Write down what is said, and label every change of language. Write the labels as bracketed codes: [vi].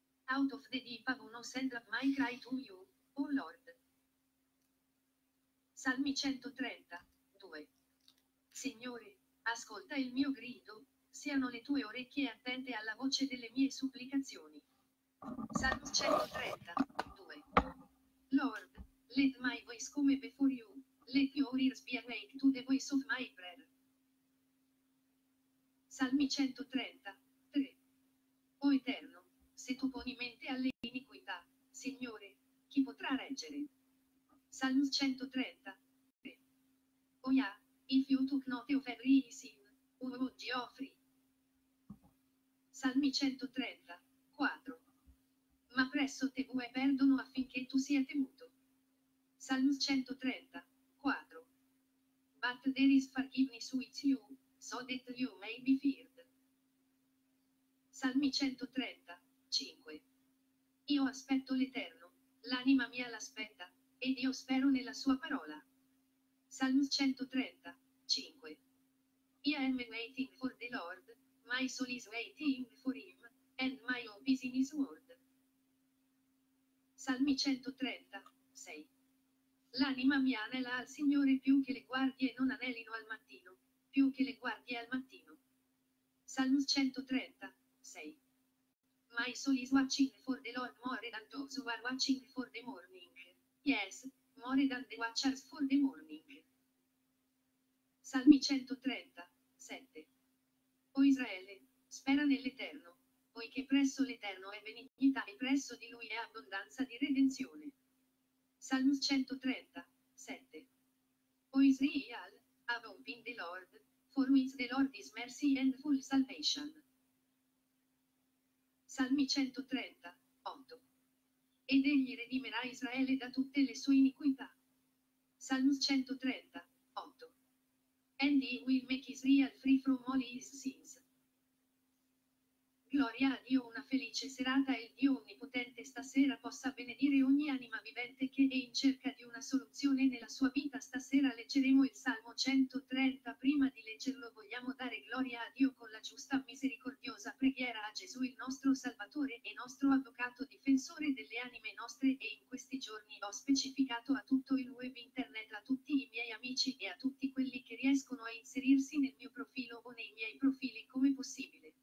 [en] Out of the deep I've no send of my cry to you, O Lord. [it] Salmi 130, 2. Signore, ascolta il mio grido, siano le tue orecchie attente alla voce delle mie supplicazioni. Salmi 130, 2. [en] Lord, let my voice come before you, let your ears be awake to the voice of my prayer. [it] Salmi 130, 3. O Eterno, se tu poni mente alle iniquità, Signore, chi potrà reggere? Salmi 130, 3. [en] Oh yeah, if you took note of every sin, who would you offer? [it] Salmi 130, 4. Ma presso te vuoi perdono affinché tu sia temuto. Salmi 130, 4. [en] But there is forgiveness with you, so that you may be feared. [it] Salmi 130, 5. Io aspetto l'Eterno, l'anima mia l'aspetta, ed io spero nella sua parola. Salmo 130, 5. [en] I am waiting for the Lord, my soul is waiting for him, and my hope is in his word. [it] Salmi 130, 6. L'anima mia anela al Signore più che le guardie non anelino al mattino, più che le guardie al mattino. Salmo 130, 6. [en] My soul is watching for the Lord more than those who are watching for the morning. Yes, more than the watchers for the morning. [it] Salmi 130, 7. O Israele, spera nell'Eterno, poiché presso l'Eterno è benignità e presso di Lui è abbondanza di redenzione. Salmo 130, 7. [en] O Israel, have hope in the Lord, for with the Lord is mercy and full salvation. [it] Salmi 130, 8. Ed egli redimerà Israele da tutte le sue iniquità. Salmo 130, 8. [en] And he will make Israel free from all his sins. [it] Gloria a Dio, una felice serata e il Dio Onnipotente stasera possa benedire ogni anima vivente che è in cerca di una soluzione nella sua vita. Stasera leggeremo il Salmo 130. Prima di leggerlo vogliamo dare gloria a Dio con la giusta misericordiosa preghiera a Gesù il nostro Salvatore e nostro Avvocato Difensore delle anime nostre, e in questi giorni ho specificato a tutto il web internet, a tutti i miei amici e a tutti quelli che riescono a inserirsi nel mio profilo o nei miei profili come possibile.